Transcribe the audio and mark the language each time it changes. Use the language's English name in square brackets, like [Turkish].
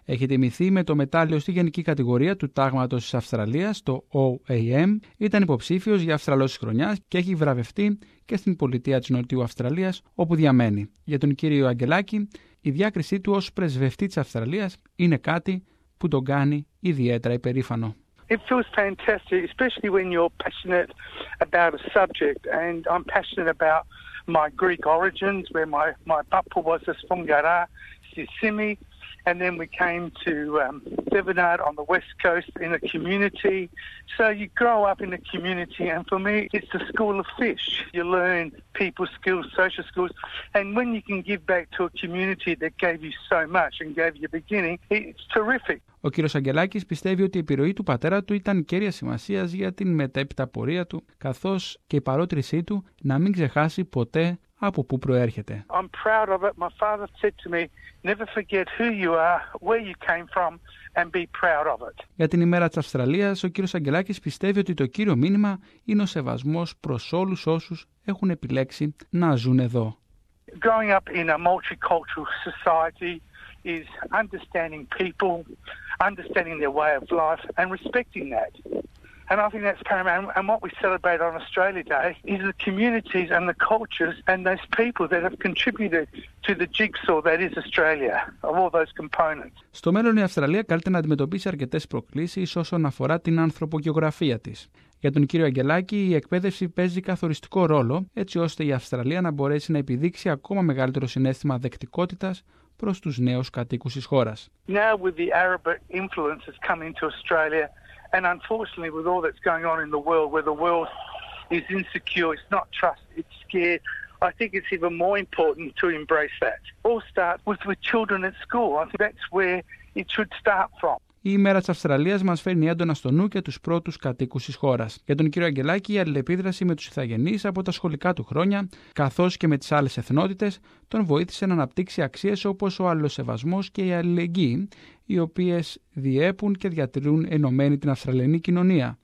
[Greek] Έχει τιμηθεί με το μετάλλιο στη γενική κατηγορία του τάγματος της Αυστραλίας, το OAM, ήταν υποψήφιος για Αυστραλός της χρονιάς και έχει βραβευτεί και στην πολιτεία της Νοτιού Αυστραλίας, όπου διαμένει. Για τον κύριο Αγγελάκη, η διάκρισή του ως πρεσβευτή της Αυστραλίας είναι κάτι που τον κάνει ιδιαίτερα υπερήφανο. [English] It feels fantastic, especially when you're passionate about a subject. And I'm passionate about my Greek origins, where my papa was a Spongara Sisimi. And then we came to Thevenard on the west coast in a community. So you grow up in a community, and for me, it's the school of fish. You learn people skills, social skills, and when you can give back to a community that gave you so much and gave you a beginning, it's terrific. [Greek] Ο κύριος Αγγελάκης πιστεύει ότι η επιρροή του πατέρα του ήταν κέρια σημασίας για την μετέπειτα πορεία του, καθώς και η παρότρισή του να μην ξεχάσει ποτέ από πού προέρχεται. [English] I'm proud of it. My father said to me, never forget who you are, where you came from, and be proud of it. [Greek] Για την ημέρα της Αυστραλίας, ο κύριος Αγγελάκης πιστεύει ότι το κύριο μήνυμα είναι ο σεβασμός προς όλους όσους έχουν επιλέξει να ζουν εδώ. [English] Growing up in a multicultural society is understanding people, understanding their way of life, and respecting that. And I think that's paramount. And what we celebrate on Australia Day is the communities and the cultures and those people that have contributed to the jigsaw that is Australia, of all those components. [Greek] Στο μέλλον η Αυστραλία καλείται να αντιμετωπίσει αρκετές προκλήσεις όσον αφορά την ανθρωπογεωγραφία της. Για τον κύριο Αγγελάκη, η εκπαίδευση παίζει καθοριστικό ρόλο, έτσι ώστε η Αυστραλία να μπορέσει να επιδείξει ακόμα μεγαλύτερο συνέστημα δεκτικότητας προς τους νέους κατοίκους της χώρας. [English] Now with the Arab influences coming to Australia, and unfortunately with all that's going on in the world, where the world is insecure, it's not trust, it's scared, I think it's even more important to embrace that. All starts with children at school. I think that's where it should start from. [Greek] Η ημέρα της Αυστραλίας μας φέρνει έντονα στο νου και τους πρώτους κατοίκους της χώρας. Για τον κύριο Αγγελάκη, η αλληλεπίδραση με τους ηθαγενείς από τα σχολικά του χρόνια, καθώς και με τις άλλες εθνότητες, τον βοήθησε να αναπτύξει αξίες όπως ο αλληλοσεβασμός και η αλληλεγγύη, οι οποίες διέπουν και διατηρούν ενωμένη την Αυστραλιανή κοινωνία.